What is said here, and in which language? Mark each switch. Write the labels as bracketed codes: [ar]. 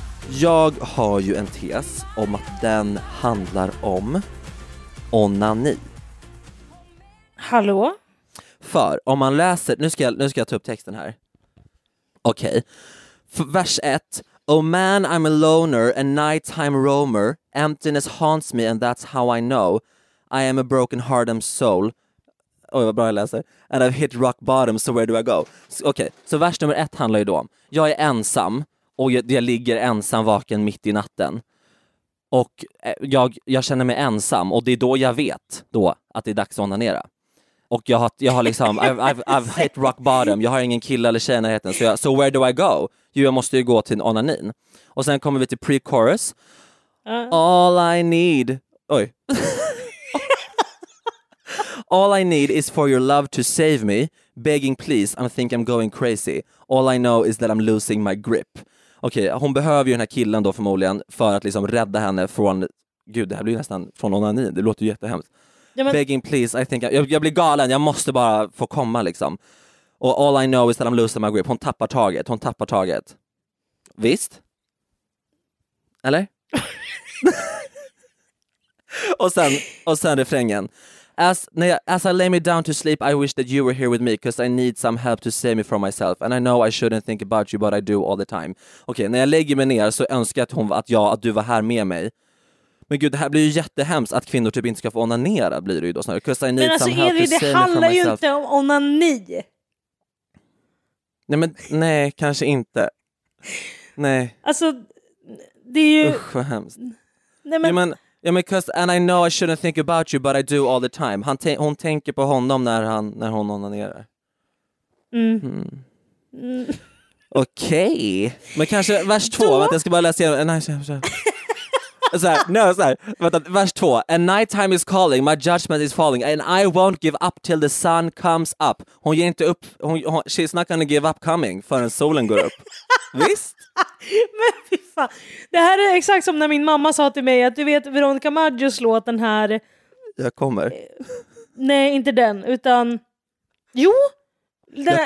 [sv] Jag har ju en tes om att den handlar om onani. Hallå? För om man läser, nu ska jag ta upp texten här. Okej. Okay. Vers 1. [en] Oh man, I'm a loner, a nighttime roamer. Emptiness haunts me and that's how I know. I am a broken heart and soul. [sv] Oj, vad bra jag läser. [en] And I've hit rock bottom, so where do I go? [sv] Okej, så vers nummer ett handlar ju då om. Jag är ensam och jag ligger ensam vaken mitt i natten. Och jag känner mig ensam och det är då jag vet då att det är dags att onanera. Och jag har liksom, [en] I've hit rock bottom. [sv] Jag har ingen kille eller tjej i närheten. [en] So where do I go? [sv] Jo, jag måste ju gå till onanin. Och sen kommer vi till pre-chorus. [en] All I need... [sv] Oj. [en] All I need is for your love to save me. Begging please, I think I'm going crazy. All I know is that I'm losing my grip. [sv] Okej, okay, hon behöver ju den här killen då förmodligen för att liksom rädda henne från... Gud, det här blir ju nästan från onanin. Det låter ju jättehemskt. Ja, men... [en] Begging please, I think... [sv] Jag blir galen, jag måste bara få komma liksom. [en] Och all I know is that I'm losing my grip. [sv] Hon tappar taget. Visst? Eller? och sen refrängen. [en] As I lay me down to sleep, I wish that you were here with me because I need some help to save me from myself. And I know I shouldn't think about you, but I do all the time. [sv] Okej, när jag lägger mig ner så önskar jag att du var här med mig. Men gud, det här blir ju jättehemskt att kvinnor typ inte ska få onanera, blir det ju då snarare. Men alltså, Evie, det handlar ju inte om onani. Nej, men nej, kanske inte. Nej. Alltså, det är ju... Usch, vad hemskt. Nej, men [en] because, and I know I shouldn't think about you, but I do all the time. [sv] Hon tänker på honom när hon onanerar. Okej. Okay. Men kanske vers två, vänta, jag ska bara läsa igenom. Nej, vers två. [en] A night time is calling, my judgment is falling, and I won't give up till the sun comes up. [sv] Hon ger inte upp, [en] she's not gonna give up coming [sv] förrän solen går upp. Visst? Men fy fan. Det här är exakt som när min mamma sa till mig att du vet Veronica Maggios låt, den här... Jag kommer. Nej, inte den, utan... Jo! Den,